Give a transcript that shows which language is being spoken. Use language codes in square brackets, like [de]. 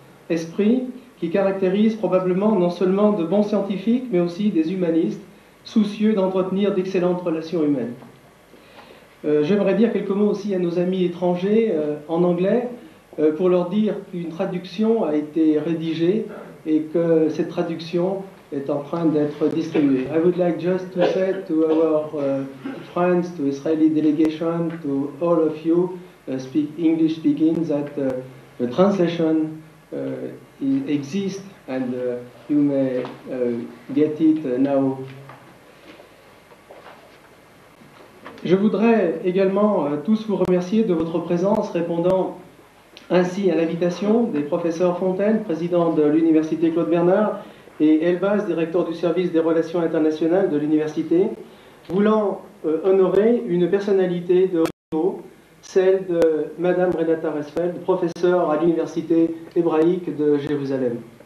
[fr] Esprit qui caractérise probablement non seulement de bons scientifiques, mais aussi des humanistes, soucieux d'entretenir d'excellentes relations humaines. J'aimerais dire quelques mots aussi à nos amis étrangers en anglais, pour leur dire qu'une traduction a été rédigée et que cette traduction est en train d'être distribuée. [en] I would like just to say to our friends, to Israeli delegation, to all of you speak English speaking, that the translation exists and you may get it now. [fr] Je voudrais également tous vous remercier de votre présence, répondant ainsi à l'invitation des professeurs Fontaine, président de l'Université Claude Bernard, et Elbaz, directeur du service des relations internationales de l'Université, voulant honorer une personnalité de haut niveau, celle de Madame Renata Resfeld, professeure à l'Université hébraïque de Jérusalem.